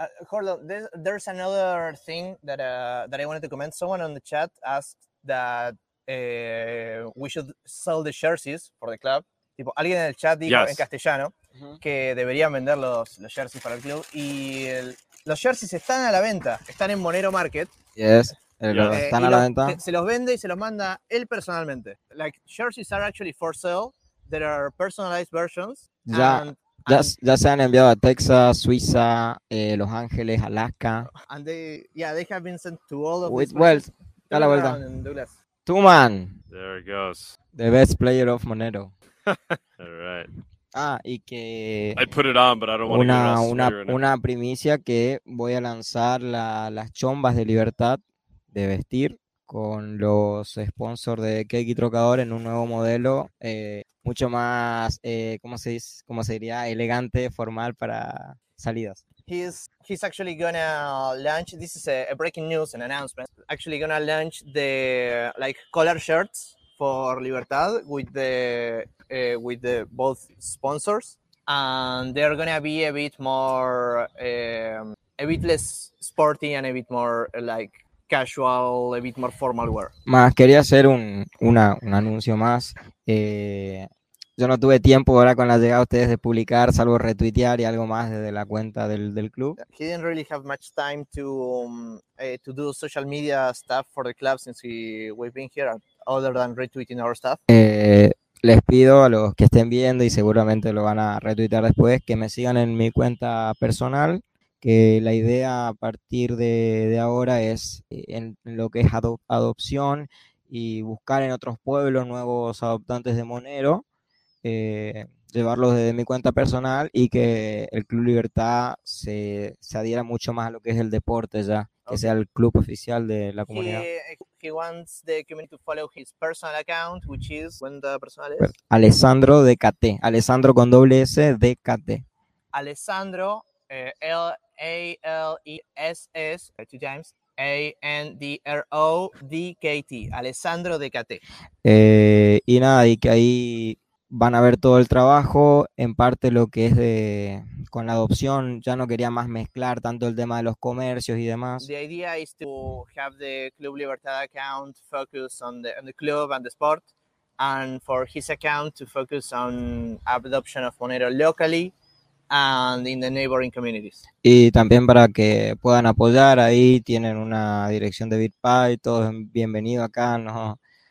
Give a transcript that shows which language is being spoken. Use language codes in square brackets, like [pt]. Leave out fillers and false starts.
[en] Hold on, there's another thing that I wanted to comment. Someone on the chat asked that we should sell the jerseys for the club. [es] Tipo, alguien en el chat dijo en castellano que deberían vender los jerseys para el club. Y los jerseys están a la venta. Están en Monero Market. [en] Yes. [es] Están a la venta. Se los vende y se los manda él personalmente. [en] Like, jerseys are actually for sale. There are personalized versions. [es] Ya se han enviado a Texas, Suiza, Los Ángeles, Alaska. [en] And they have been sent to all of with, well, [es] da la vuelta. [en] Two man. There it goes. The best player of Monero. All right. [es] Ah, y que [en] I put it on, but I don't want [es] una primicia que voy a lanzar las chombas de Libertad de vestir con los sponsors de Keki Trocador en un nuevo modelo mucho más ¿cómo se diría? Elegante, formal para salidas. [en] He's actually gonna launch, this is a breaking news, an announcement. Actually gonna launch the like collar shirts for Libertad with the both sponsors, and they're gonna be a bit more a bit less sporty and a bit more like casual, a bit more formal wear. [es] Más quería hacer un anuncio más. Yo no tuve tiempo ahora con la llegada de ustedes de publicar, salvo retuitear y algo más desde la cuenta del club. [en] He didn't really have much time to do social media stuff for the club since we've been here. Other than retweeting our stuff. [es] Les pido a los que estén viendo y seguramente lo van a retweetar después que me sigan en mi cuenta personal, que la idea a partir de ahora es en lo que es adopción y buscar en otros pueblos nuevos adoptantes de Monero, llevarlos desde mi cuenta personal y que el Club Libertad se adhiera mucho más a lo que es el deporte ya, que sea el club oficial de la comunidad. [en] He wants the community to follow his personal account, which is, [es] ¿cuenta personal es? Alessandro DKT. Alessandro con doble S, DKT. [en] Alessandro, L-A-L-E-S-S, two times, A-N-D-R-O-D-K-T. Alessandro DKT. [es] Y nada, y que ahí van a ver todo el trabajo, en parte lo que es de con la adopción, ya no quería más mezclar tanto el tema de los comercios y demás. [en] The idea is to have the Club Libertad account focus on the club and the sport, and for his account to focus on adoption of Monero locally and in the neighboring communities. [es] Y también para que puedan apoyar, ahí tienen una dirección de BitPay, todos bienvenidos acá, ¿no?